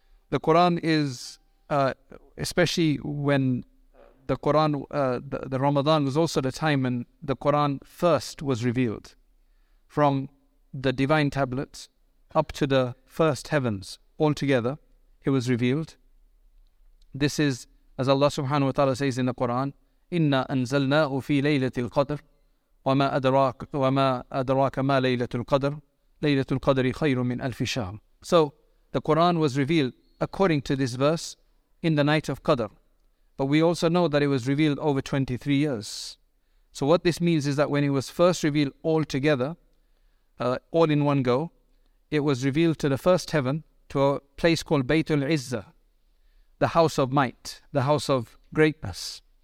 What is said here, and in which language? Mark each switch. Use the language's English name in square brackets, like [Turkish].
[English] The Qur'an is, especially when the Qur'an, the Ramadan was also the time when the Qur'an first was revealed from the divine tablet up to the first heavens altogether, it was revealed. This is, as Allah subhanahu wa ta'ala says in the Qur'an, [Arabic] إِنَّا أَنزَلْنَاهُ فِي لَيْلَةِ الْقَدْرِ وَمَا أَدْرَاكَ مَا لَيْلَةُ الْقَدْرِ لَيْلَةُ الْقَدْرِ خَيْرٌ مِنْ أَلْفِ شَهْرٍ. [English] So, the Qur'an was revealed, according to this verse, in the night of Qadr. But we also know that it was revealed over 23 years. So what this means is that when it was first revealed all together, all in one go, it was revealed to the first heaven, to a place called Baytul Izzah, the house of might, the house of greatness.